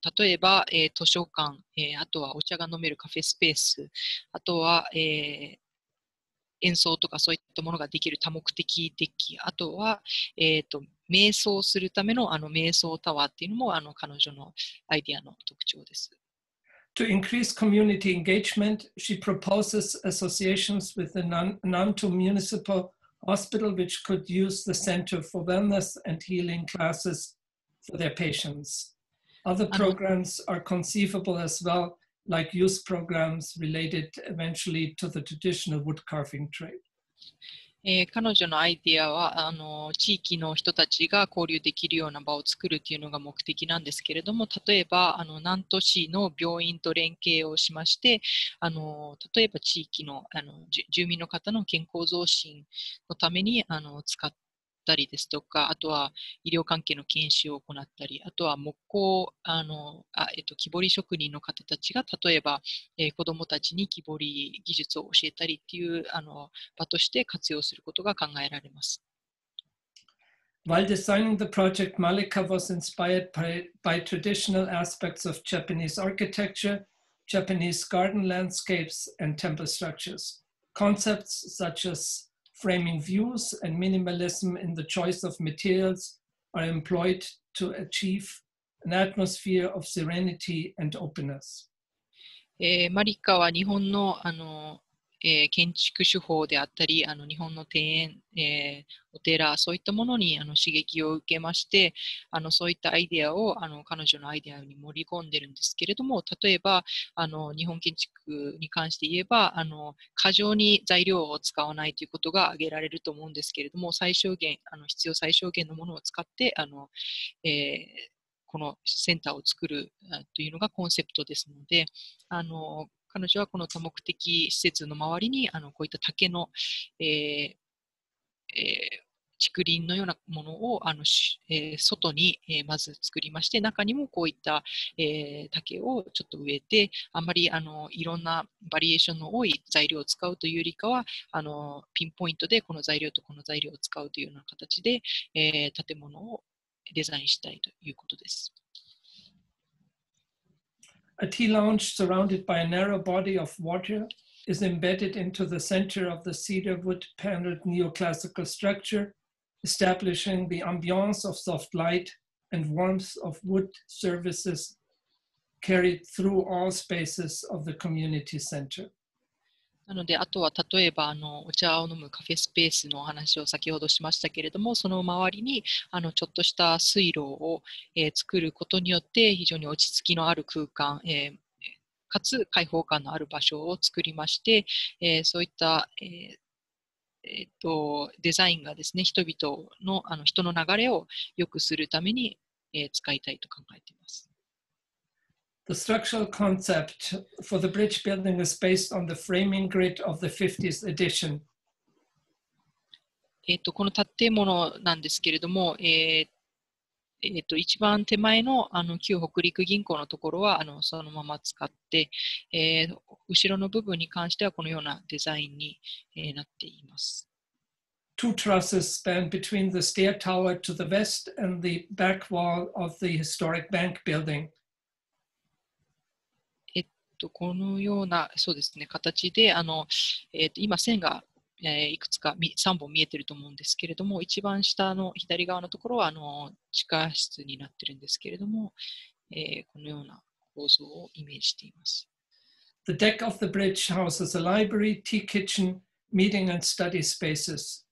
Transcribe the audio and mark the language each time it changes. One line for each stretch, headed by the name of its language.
Japanese: 例えば、図書館、あとはお茶が飲めるカフェスペース、あとは、演奏とかそういったものができる多目的デッキ、あとは、瞑想するため の, あの瞑想タワーっていうのもあの彼女のアイディアの特徴です。
English: To increase community engagement, she proposes associations with the Nantou Municipal Hospital, which could use the Center for Wellness and Healing Classes for their patients. Other programs are conceivable as well, like youth programs related eventually to the traditional wood carving trade.
Japanese: 彼女のアイディアはあの地域の人たちが交流できるような場を作るというのが目的なんですけれども、例えばあの南都市の病院と連携をしまして、あの例えば地域 の, あの住民の方の健康増進のためにあの使ったりですとか、あとは医療関係の研修を行ったり、あとは木工あの木彫り職人の方たちが例えば、子どもたちに木彫り技術を教えたりっていうあの場として活用することが考えられます。
English: While designing the project, Malika was inspired by traditional aspects of Japanese architecture, Japanese garden landscapes, and temple structures. Concepts such as framing views and minimalism in the choice of materials are employed to achieveAn atmosphere of serenity and openness.
Japanese: マリカは日本 の, あの、建築手法であったり、あの日本の庭園、お寺、そういったものにあの刺激を受けまして、あのそういったアイデアをあの彼女のアイデアに盛り込んでるんですけれども、例えばあの日本建築に関して言えばあの、過剰に材料を使わないということが挙げられると思うんですけれども、最小限、あの必要最小限のものを使って、あのこのセンターを作るというのがコンセプトですので、あの彼女はこの多目的施設の周りにあのこういった竹の、竹林のようなものをあの、外に、まず作りまして、中にもこういった、竹をちょっと植えて、あんまりあのいろんなバリエーションの多い材料を使うというよりかはあのピンポイントでこの材料とこの材料を使うというような形で、建物をデザインしたいということです。
English: A tea lounge surrounded by a narrow body of water is embedded into the center of the cedar wood paneled neoclassical structure, establishing the ambiance of soft light and warmth of wood services carried through all spaces of the community center.
Japanese: なので、あとは例えばあのお茶を飲むカフェスペースのお話を先ほどしましたけれども、その周りにあのちょっとした水路を、作ることによって非常に落ち着きのある空間、かつ開放感のある場所を作りまして、そういった、デザインがですね、人々の、あの人の流れを良くするために、使いたいと考えています。
English: The structural concept for the bridge building is based on the framing grid of the 50th edition.
Japanese: この建物なんですけれども、一番手前 の, あの旧北陸銀行のところはあのそのまま使って、後ろの部分に関してはこのようなデザインに、なっています。
English: Two trusses span between the stair tower to the west and the back wall of the historic bank building.
Japanese: このようなそうですね形で、あの、今線が、いくつか3本見えていると思うんですけれども、一番下の左側のところはあの地下室になっているんですけれども、このような構造をイメージしています。
English: The deck of the bridge houses a library, tea kitchen, meeting and study spaces.